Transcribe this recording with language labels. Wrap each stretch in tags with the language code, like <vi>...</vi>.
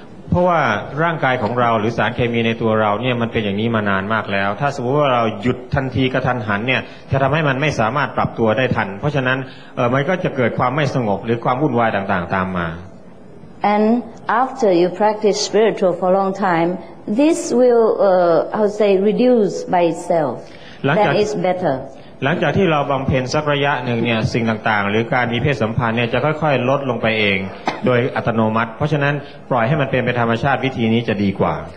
<th>เพราะว่าร่างกายของเราหรือสารเคมีในตัวเราเนี่ยมันเป็นอย่างนี้มานานมากแล้วถ้าสมมติว่าเราหยุดทันทีกระทันหันเนี่ยจะทำให้มันไม่สามารถปรับตัวได้ทันเพราะฉะนั้นมันก็จะเกิดความไม่สงบหรือความวุ่นวายต่างๆตามมา</th> <en>And after you practice spiritual for a long time this will reduce by itself that is better</en> <th>หลังจากที่เราบำเพ็ญสักระยะหนึ่งเนี่ยสิ่งต่างๆหรือการมีเพศสัมพันธ์เนี่ยจะค่อยๆลดลงไปเองโดยอัตโนมัติเพราะฉะนั้นปล่อยให้มันเป็นไปธรรมชาติวิธีนี้จะดีกว่า</th>